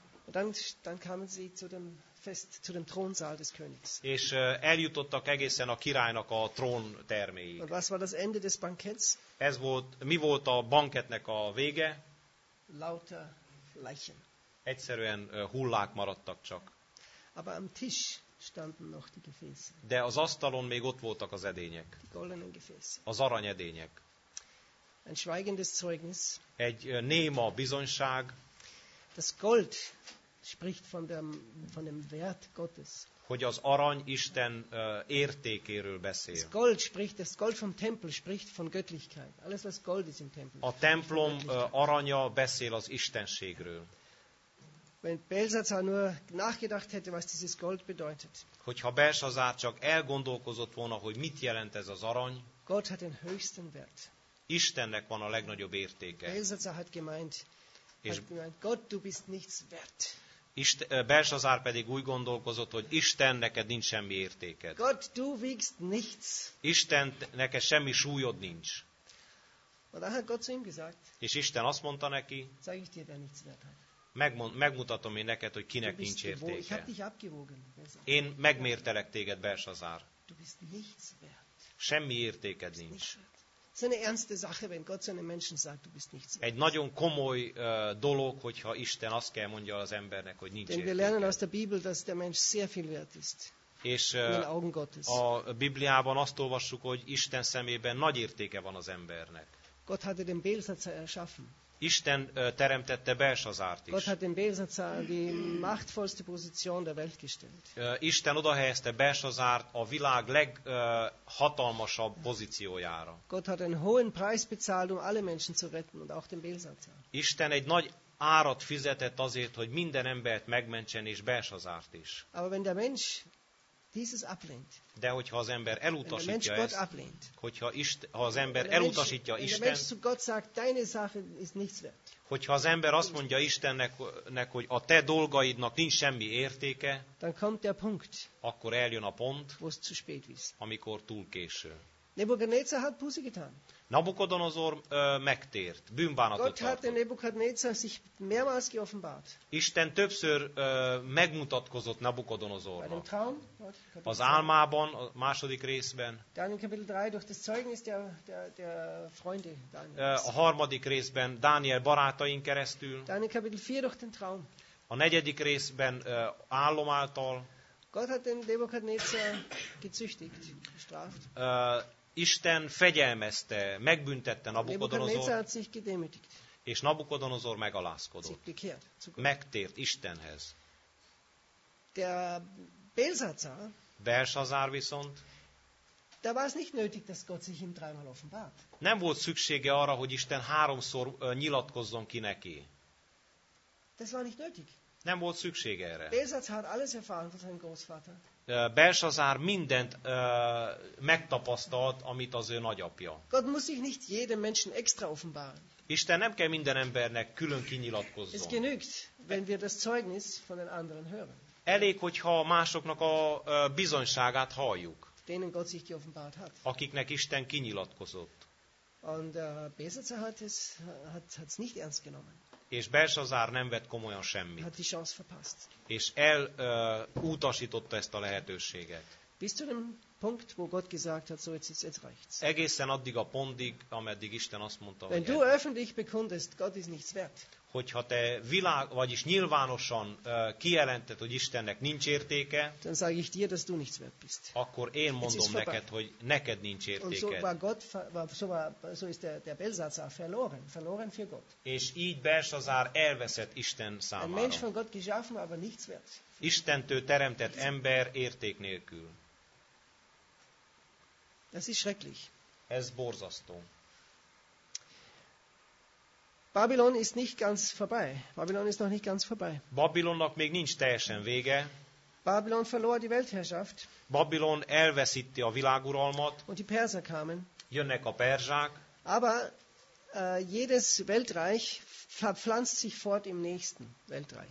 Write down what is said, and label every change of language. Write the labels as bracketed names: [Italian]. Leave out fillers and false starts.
[German] Dann kamen sie zu dem Fest, zu dem Thronsaal des Königs. [Hungarian] És eljutottak egészen a királynak a trón terméig. [German] Und was war das Ende des Banketts? [Hungarian] Ez volt, mi volt a banketnek a vége? [German] Lauter Leichen. [Hungarian] Egyszerűen hullák maradtak csak. [German] Aber am Tisch standen noch die Gefäße. [Hungarian] De az asztalon még ott voltak az edények. [German] Die goldenen Gefäße. [Hungarian] Az aranyedények. [German] Ein schweigendes Zeugnis. [Hungarian] Egy néma bizonyság. [German] Das Gold spricht von dem Wert Gottes. [Hungarian] Hogy az arany Isten értékéről beszél. [German] Das Gold vom Tempel spricht von Göttlichkeit. Alles was Gold ist im Tempel. [Hungarian] A templom aranya beszél az istenségről. [German] Wenn Belsazar nur nachgedacht hätte, was dieses Gold bedeutet. [Hungarian] Hogyha Belsazar csak elgondolkozott volna, hogy mit jelent ez az arany. [German] Gott hat den höchsten Wert. [Hungarian] Istennek van a legnagyobb értéke. [German] Belsazar hat gemeint, Gott, du bist nichts wert. [Hungarian] Belsazar pedig úgy gondolkozott, hogy Isten, neked nincs semmi értéked. [German] Gott, du wiegst nichts. [Hungarian] Isten, neked semmi súlyod nincs. [German] Und dann hat Gott zu ihm gesagt, [Hungarian] és Isten azt mondta neki, [German] sag ich dir, der nichts wert hat. [Hungarian] Megmutatom én neked, hogy kinek nincs értéke. [German] Ich hab dich abgewogen, [Hungarian] én megmértelek téged, Belsazar. [German] Du bist nichts wert. [Hungarian] Semmi értéked nincs. Ez egy [German] ernste Sache, wenn Gott zu einem Menschen sagt, du bist nichts. [Hungarian] Egy nagyon komoly dolog, hogyha Isten azt kell mondja az embernek, hogy nincs értéke. [German] Denn wir lernen aus der Bibel, dass der Mensch sehr viel wert ist. [Hungarian] És a Bibliában azt olvassuk, hogy Isten szemében nagy értéke van az embernek. [German] Gott hatte den Belsazar erschaffen. [Hungarian] Isten teremtette Belsazárt is. [German] Gott hat den Belsazar in die machtvollste Position der Welt gestellt. [Hungarian] Isten odahelyezte Belsazárt a világ leghatalmasabb pozíciójára. [German] Gott hat einen hohen Preis bezahlt, um alle Menschen zu retten und auch den Belsazar. [Hungarian] Isten egy nagy árat fizetett azért, hogy minden embert megmentsen és Belsazárt is. [German] Aber wenn der Mensch dieses ablehnt. [Hungarian] De hogyha az ember elutasítja [German] ezt, ablehnt, [Hungarian] hogyha ha az ember elutasítja Isten, [German] sagt, deine Sache ist nichts wert. [Hungarian] Hogyha az ember azt mondja Istennek, hogy a te dolgaidnak nincs semmi értéke, [German] dann kommt der Punkt, [Hungarian] akkor eljön a pont, [German] wo es zu spät ist. [Hungarian] Amikor túl késő. [German] Nebukadnezar hat Buße getan. [Hungarian] Nabukodonozor megtért, bűnbánatot tartott. [German] Gott hat Nebukadnezar sich mehrmals geoffenbart. [Hungarian] Isten többször megmutatkozott Nabukodonozornak. [German] Bei dem Traum, [Hungarian] az álmában, a második részben. [German] Daniel Kapitel 3, durch das Zeugnis der Freunde Daniels. [Hungarian] A harmadik részben Dániel barátain keresztül. [German] Daniel Kapitel 4, durch den Traum. [Hungarian] A negyedik részben álom által. [German] Gott hat den Nebukadnezar gezüchtigt, gestraft. [Hungarian] Isten fegyelmezte, megbüntette Nabukodonozort, és Nabukodonozor megalázkodott, megtért Istenhez. [German] Der Belsazar, [Hungarian] Belsazar viszont, [German] da war es nicht nötig, dass Gott sich ihm dreimal offenbart. [Hungarian] Nem volt szüksége arra, hogy Isten háromszor nyilatkozzon ki neki. [German] Das war nicht nötig. [Hungarian] Nem volt szüksége erre. [German] Belsazar hat alles erfahren von seinem Großvater. [Hungarian] Belsazar mindent megtapasztalt, amit az ő nagyapja. [German] Gott muss sich nicht jedem Menschen extra offenbaren. [Hungarian] Isten nem kell minden embernek külön kinyilatkozzon. [German] Es genügt, wenn wir das Zeugnis von den anderen hören. [Hungarian] Elég, hogyha másoknak a bizonyságát halljuk. [German] Denen Gott sich geoffenbart hat. [Hungarian] Akiknek Isten kinyilatkozott. [German] Und Belsazar hat es nicht ernst genommen. [Hungarian] És Belsazár nem vett komolyan semmit. [German] Hat die Chance verpasst. [Hungarian] És elutasította ezt a lehetőséget. [German] Bis zu dem Punkt, wo Gott gesagt hat, so jetzt reicht's. [Hungarian] Egészen addig a pontig, ameddig Isten azt mondta, [German] wenn du öffentlich bekundest, Gott ist nichts wert. [Hungarian] Hogyha te vagyis nyilvánosan kijelented, hogy Istennek nincs értéke, [German] dann sage ich dir, dass du nichts wert bist. [Hungarian] Akkor én mondom neked, hogy neked nincs értéke. [German] Und so war Gott, so ist der Belsazar verloren für Gott. [Hungarian] És így Belsazár elveszett Isten számára. [German] Ein Mensch von Gott geschaffen, aber nichts wert. [Hungarian] Istentől teremtett ember érték nélkül. [German] Das ist schrecklich. [Hungarian] Ez borzasztó. [German] Babylon ist nicht ganz vorbei. Babylon ist noch nicht ganz vorbei. [Hungarian] Babylonnak még nincs teljesen vége. [German] Babylon verlor die Weltherrschaft. [Hungarian] Babylon elveszíti a világuralmat. [German] Und die Perser kamen. [Hungarian] Jönnek a perzsák. [German] Aber jedes Weltreich verpflanzt sich fort im nächsten Weltreich.